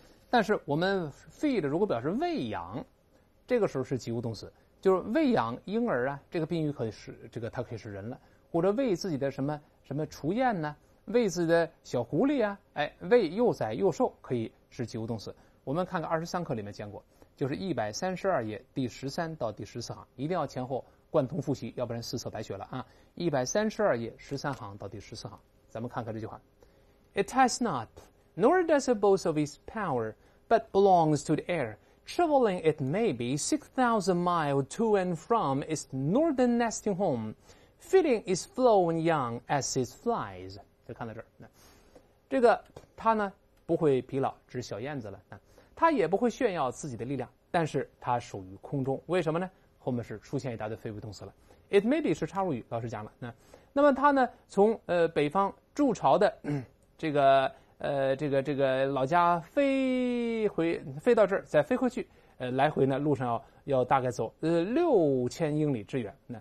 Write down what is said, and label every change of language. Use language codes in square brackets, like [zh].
[zh] 但是我们 feed 如果表示喂养，这个时候是及物动词，就是喂养婴儿啊，这个宾语可以是这个它可以是人了，或者喂自己的什么什么雏燕呢，喂自己的小狐狸啊，喂幼崽幼兽可以是及物动词。我们看看23课里面见过，就是132页第13到第14行，一定要前后贯通复习，要不然四册白学了啊。 132页13行到第14行，咱们看看这句话。 [en] It has not, nor does it boast of its power, but belongs to the air, traveling it maybe 6,000 miles to and from its northern nesting home, feeding its flown young as it flies. [zh] 就看到这儿，这个它呢不会疲劳，只是小燕子了。他也不会炫耀自己的力量，但是他属于空中，为什么呢？后面是出现一大堆非物动词了。It maybe 是插入语，老师讲了。那么他呢，从北方筑巢的这个老家飞到这儿，再飞回去，来回呢路上要大概走6000英里之远。